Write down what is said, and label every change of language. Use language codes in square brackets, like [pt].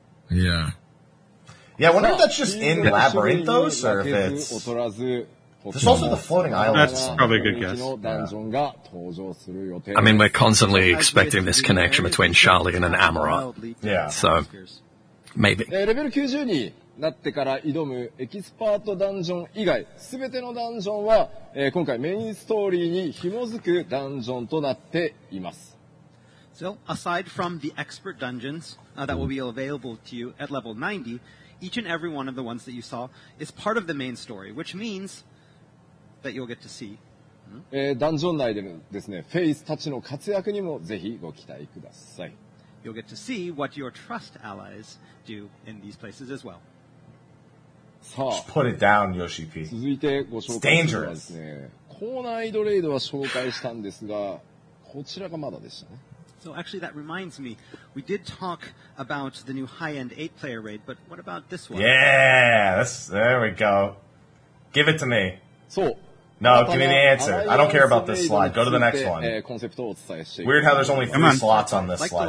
[en] Yeah. Yeah, I wonder if that's just in Labyrinthos or if it's. There's also the floating island. That's probably a good guess. Yeah. I mean, we're constantly expecting this connection between Charlie and an Amarant. Yeah. So, maybe. [ja] Level 90 になってから挑むエキスパートダンジョン以外、すべてのダンジョンは、今回メインストーリーに紐づくダンジョンとなっています。 [en] So, aside from the expert dungeons, that will be available to you at level 90, each and every one of the ones that you saw is part of the main story, which means that you'll get to see. [ja] ダンジョン内でですね、フェイスたちの活躍にもぜひご期待ください。 [en] You'll get to see what your trust allies do in these places as well. さあ、put it down, Yoshi P. [ja] 続いてご紹介しますね。コーナーイドレイドは紹介したんですが、こちらがまだでしたね。 [en] So actually, that reminds me, we did talk about the new high-end 8-player raid, but what about this one? Yeah, there we go. Give it to me. So, no, give me the answer. I don't care about this slide. Go to the next one. Weird how there's only three slots on this slide.